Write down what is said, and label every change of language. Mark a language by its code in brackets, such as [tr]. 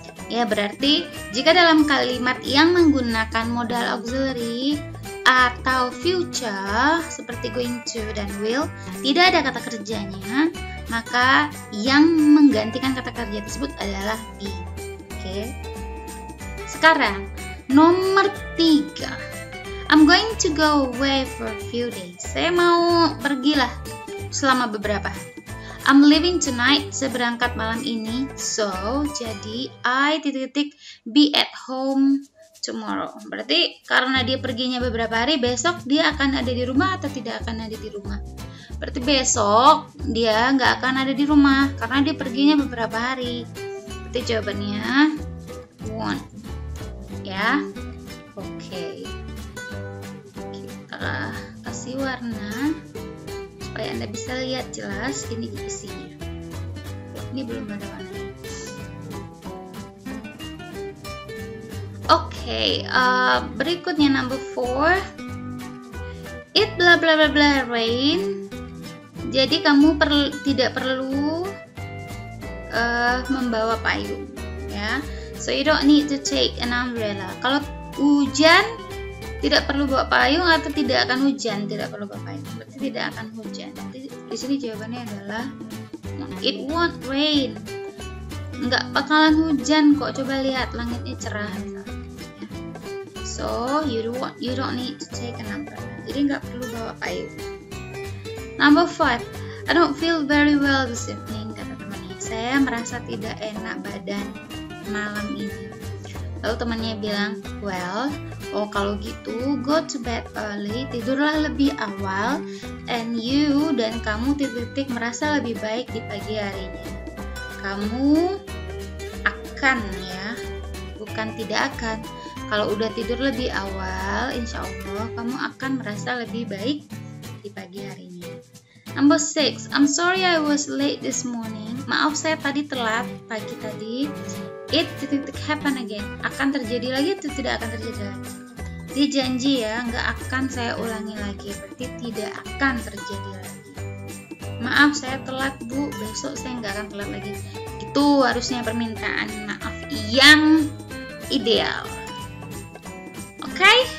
[id] Ya, berarti jika dalam kalimat yang menggunakan modal auxiliary atau future seperti going to dan will tidak ada kata kerjanya, maka yang menggantikan kata kerja tersebut adalah be. Oke. Sekarang nomor 3. [en] I'm going to go away for a few days. [id] Saya mau pergilah selama beberapa. [en] I'm leaving tonight. [id] Saya berangkat malam ini. So, jadi I... [en] be at home tomorrow. [id] Berarti karena dia perginya beberapa hari, besok dia akan ada di rumah atau tidak akan ada di rumah? Berarti besok dia enggak akan ada di rumah karena dia perginya beberapa hari. Berarti jawabannya won't. Ya. Oke. Kita kasih warna supaya Anda bisa lihat jelas ini isinya. Ini belum ada warna. Oke, berikutnya [en] number 4. It blah blah blah blah rain. [id] Jadi kamu tidak perlu membawa payung, ya. [en] So you don't need to take an umbrella. [id] Kalau hujan tidak perlu bawa payung atau tidak akan hujan, tidak perlu bawa payung. Berarti tidak akan hujan. Di sini jawabannya adalah [en] it won't rain. [id] Enggak bakalan hujan kok. Coba lihat langitnya cerah. [en] So you don't need to take an umbrella. [id] Jadi enggak perlu bawa payung. [en] Number 5. I don't feel very well this evening. [id] Kata temannya, saya merasa tidak enak badan malam ini. Lalu temannya bilang, well, oh kalau gitu, [en] go to bed early, [id] tidurlah lebih awal, and you dan kamu titik-titik merasa lebih baik di pagi harinya. Kamu akan ya, bukan tidak akan. Kalau udah tidur lebih awal, insya Allah kamu akan merasa lebih baik di pagi harinya. [en] Number 6, I'm sorry I was late this morning. [id] Maaf saya tadi telat pagi tadi. [en] It happen again. [id] Akan terjadi lagi atau tidak akan terjadi lagi? Dia janji ya, enggak akan saya ulangi lagi. Berarti tidak akan terjadi lagi. Maaf saya telat bu, besok saya enggak akan telat lagi. Itu harusnya permintaan maaf yang ideal. Oke?